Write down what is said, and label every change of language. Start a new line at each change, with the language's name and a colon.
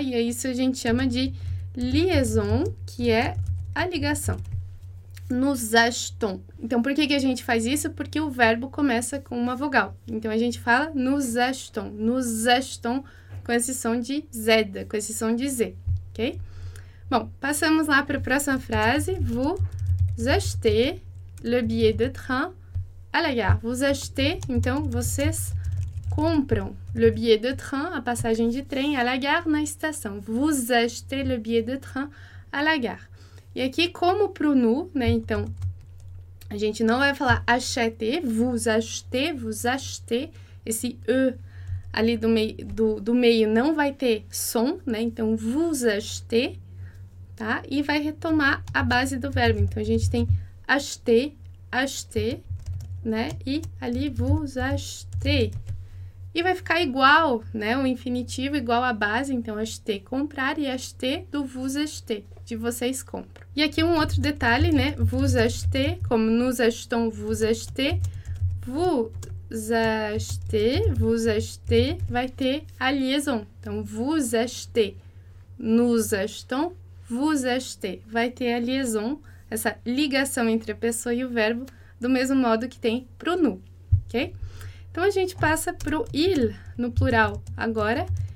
Portuguese: E é isso que a gente chama de liaison, que é a ligação.
French: Nous achetons.
Portuguese: Então, por que que a gente faz isso? Porque o verbo começa com uma vogal. Então, a gente fala
French: nous achetons. Nous achetons
Portuguese: com esse som de Z, com esse som de Z. Ok? Bom, passamos lá para a próxima frase.
French: Vous achetez le billet de train à la gare. Vous achetez,
Portuguese: então, vocês compram
French: le billet de train,
Portuguese: a passagem de trem,
French: à la gare,
Portuguese: na estação.
French: Vous achetez le billet de train à la gare.
Portuguese: E aqui, como para o nous, né? Então, a gente não vai falar achetez, vous achetez. Esse e ali do meio não vai ter som, né? Então, vous achetez, tá? E vai retomar a base do verbo. Então, a gente tem acheter, acheter, né? E ali, vous achetez. E vai ficar igual, né? O infinitivo igual à base, então acheter comprar e acheter do vous acheter, de vocês compram. E aqui um outro detalhe, né?
French: Vous acheter, como nous achetons, vous acheter. Vous acheter, vous acheter,
Portuguese: vai ter a liaison. Então,
French: vous acheter, nous achetons, vous acheter,
Portuguese: vai ter a liaison, essa ligação entre a pessoa e o verbo, do mesmo modo que tem pro nous, ok? Então a gente passa para o il no plural agora.